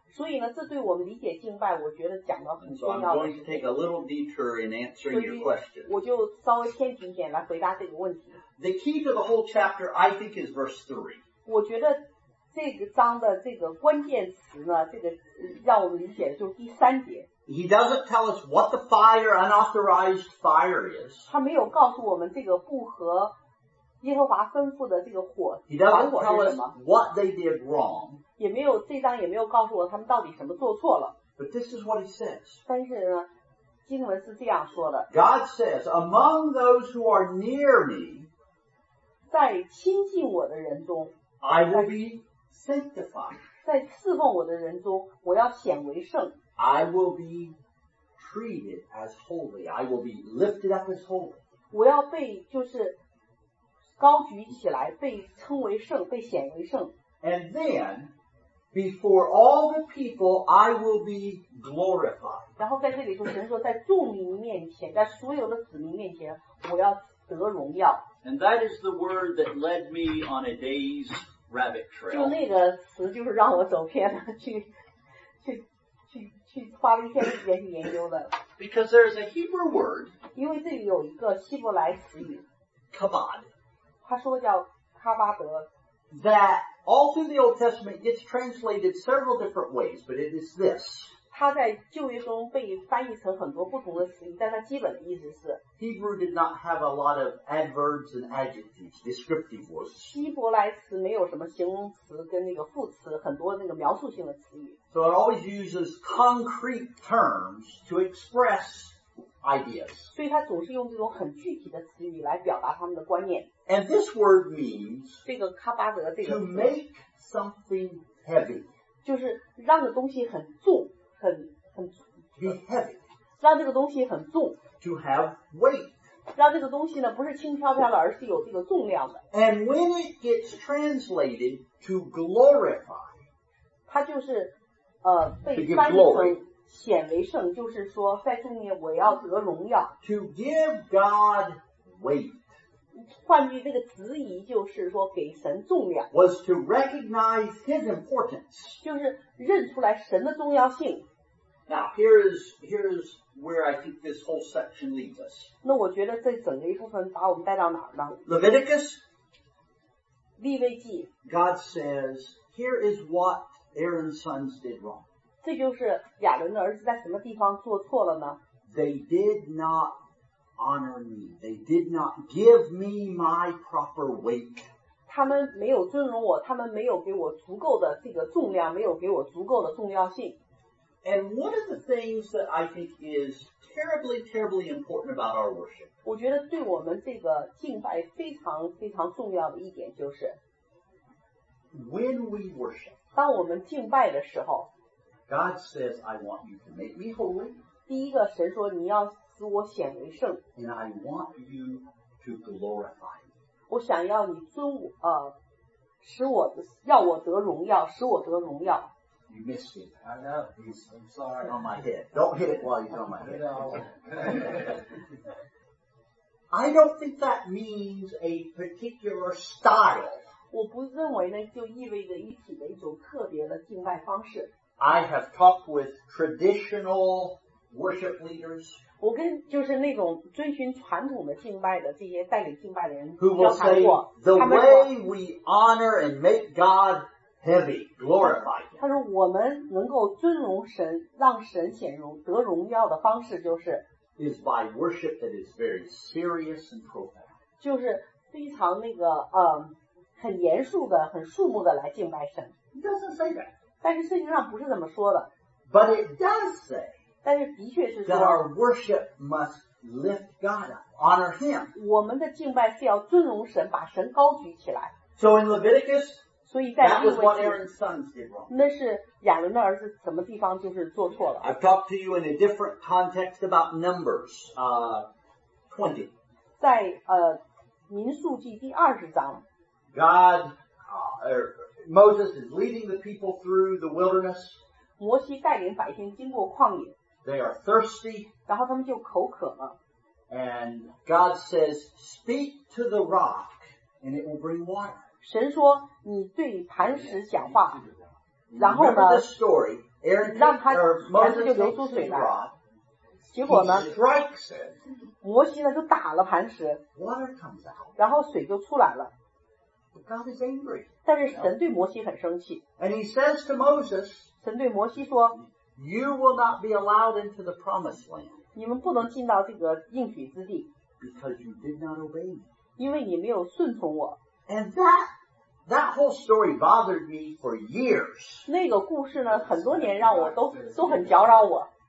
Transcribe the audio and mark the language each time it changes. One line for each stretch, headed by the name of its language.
Chinese: 所以呢，这对我们理解敬拜，我觉得讲得很重要。
English: So I'm going to take a little detour in answering your question.
Chinese: 我就稍微偏题一点来回答这个问题。
English: The key to the whole chapter, I think, is verse 3.
Chinese: 我觉得这个章的这个关键词呢，这个让我们理解就是第三节。
English: He doesn't tell us what the fire, unauthorized fire is.
Chinese: 他没有告诉我们这个不合耶和华吩咐的这个火。
English: He doesn't tell us what they did wrong.
Chinese: 也没有这章也没有告诉我他们到底什么做错了。
English: But this is what he says.
Chinese: 但是呢，经文是这样说的。
English: God says, among those who are near me,
Chinese: 在亲近我的人中
English: ，I will be sanctified.
Chinese: 在侍奉我的人中，我要显为圣。
English: I will be treated as holy. I will be lifted up as holy.
Chinese: 我要被就是高举起来，被称为圣，被显为圣。
English: And then, before all the people, I will be glorified.
Chinese: 然后在这里就神说，在众民面前，在所有的子民面前，我要得荣耀。
English: And that is the word that led me on a day's rabbit trail.
Chinese: 就那个词就是让我走偏了，去花了一天时间去研究的。
English: Because there is a Hebrew word.
Chinese: 因为这里有一个希伯来词语。
English: Kabod.
Chinese: 他说叫哈巴德。
English: That all through the Old Testament gets translated several different ways, but it is this.
Chinese: 他在旧约中被翻译成很多不同的词语，但他基本的意思是。
English: Hebrew did not have a lot of adverbs and adjectives, descriptive words.
Chinese: 希伯来词没有什么形容词跟那个副词，很多那个描述性的词语。
English: So it always uses concrete terms to express ideas.
Chinese: 所以它总是用这种很具体的词语来表达他们的观念。
English: And this word means
Chinese: 这个哈巴德这个
English: to make something heavy.
Chinese: 就是让这东西很重，很
English: be heavy.
Chinese: 让这个东西很重。
English: To have weight.
Chinese: 让这个东西呢不是轻飘飘的，而是有这个重量的。
English: And when it gets translated to glorify,
Chinese: 它就是被翻译成显为圣，就是说在这里我要得荣耀。
English: To give God weight.
Chinese: 换句这个词义就是说给神重量。
English: Was to recognize His importance.
Chinese: 就是认出来神的重要性。
English: Now here's where I think this whole section leads us.
Chinese: 那我觉得这整个一部分把我们带到哪儿呢？
English: Leviticus.
Chinese: 利未记。
English: God says, here is what Aaron's sons did wrong.
Chinese: 这就是亚伦的儿子在什么地方做错了呢？
English: They did not honor me. They did not give me my proper weight.
Chinese: 他们没有尊荣我，他们没有给我足够的这个重量，没有给我足够的重要性。
English: And one of the things that I think is terribly, terribly important about our worship.
Chinese: 我觉得对我们这个敬拜非常非常重要的一点就是
English: when we worship.
Chinese: 当我们敬拜的时候
English: God says I want you to make me holy
Chinese: 第一个神说你要使我显为圣
English: and I want you to glorify me
Chinese: 我想要你尊我使我要我得荣耀使我得荣耀
English: You missed it I know I'm sorry on my head Don't hit it while you're on my head No. I don't think that means a particular style
Chinese: 我不认为呢就意味着一体的一种特别的敬拜方式。
English: I have talked with traditional worship leaders.
Chinese: 我跟就是那种遵循传统的敬拜的这些带领敬拜的人
English: who will say, the way we honor and make God heavy, glorify him.
Chinese: 他说我们能够尊荣神让神显荣得荣耀的方式就是
English: is by worship that is very serious and profound.
Chinese: 就是非常那个很严肃的很肃穆的来敬拜神
English: It doesn't say that.
Chinese: 但是圣经上不是这么说的
English: But it does say
Chinese: 但是的确是说
English: that our worship must lift God up, honor him.
Chinese: 我们的敬拜是要尊荣神把神高举起来
English: So in Leviticus
Chinese: 所以在
English: that was what Aaron's sons did wrong.
Chinese: 那是亚伦的儿子什么地方就是做错了
English: I've talked to you in a different context about Numbers 20.
Chinese: 在民数记第二十章
English: God, Moses is leading the people through the wilderness.
Chinese: 摩西带领百姓经过旷野。
English: They are thirsty.
Chinese: 然后他们就口渴了。
English: And God says, speak to the rock. and it will bring water.
Chinese: 神说你对磐石讲话，然后呢，让他磐石就流出水来。结果呢，摩西呢就打了磐石，然后水就出来了。但是神对摩西很生气。
English: And he says to Moses,
Chinese: 神对摩西说，
English: You will not be allowed into the promised land.
Chinese: 你们不能进到这个应许之地。
English: Because you did not obey me.
Chinese: 因为你没有顺从我。
English: And that whole story bothered me for years.
Chinese: 那个故事呢，很多年让我都很搅扰我。